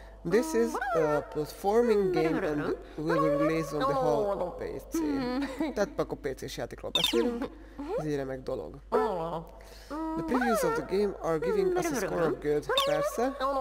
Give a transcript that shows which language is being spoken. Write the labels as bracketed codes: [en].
[en] This is a platforming game and will release on the whole PC. [hu] Tehát akkor PC-s játékról beszélünk. Ez egy remek dolog. [en] The previews of the game are giving us a score of good, [hu] persze.